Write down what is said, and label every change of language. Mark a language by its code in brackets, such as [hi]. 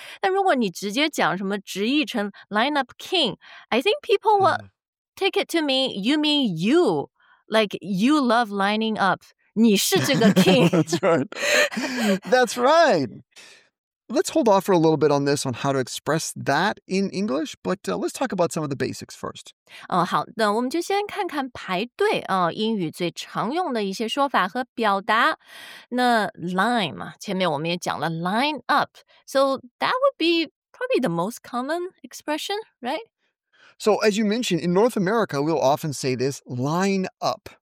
[zh] 但如果你直接讲什么直译成 [en] lineup king, I think people will take it to mean, you mean you, like you love lining up. [zh] 你是这个 king. [en] That's right. That's right. Let's hold off for a little bit on this, on how to express that in English, but let's talk about some of the basics first. [zh] 好，那我们就先看看排队啊，英语最常用的一些说法和表达。那 line 嘛，前面我们也讲了 [en] line up, so that would be probably the most common expression, right? So as you mentioned, in North America, we'll often say this, line up.